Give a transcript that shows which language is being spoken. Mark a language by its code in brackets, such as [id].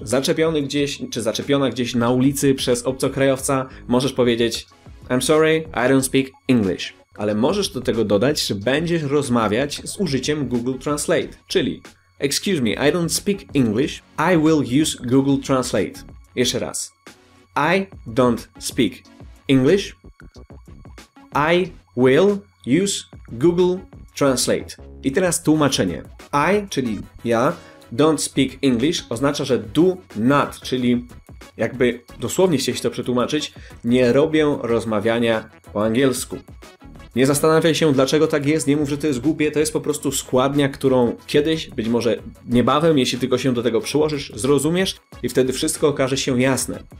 [pl] Zaczepiony gdzieś, czy zaczepiona gdzieś na ulicy przez obcokrajowca, możesz powiedzieć [en] I'm sorry, I don't speak English. [pl] Ale możesz do tego dodać, że będziesz rozmawiać z użyciem Google Translate, czyli [en] Excuse me, I don't speak English, I will use Google Translate. [pl] Jeszcze raz. [en] I don't speak English, I will use Google Translate. [pl] I teraz tłumaczenie. I, czyli ja, [en] don't speak English, [pl] oznacza, że [en] do not, [pl] czyli jakby dosłownie chcieć to przetłumaczyć, nie robię rozmawiania po angielsku. Nie zastanawiaj się, dlaczego tak jest, nie mów, że to jest głupie, to jest po prostu składnia, którą kiedyś, być może niebawem, jeśli tylko się do tego przyłożysz, zrozumiesz i wtedy wszystko okaże się jasne.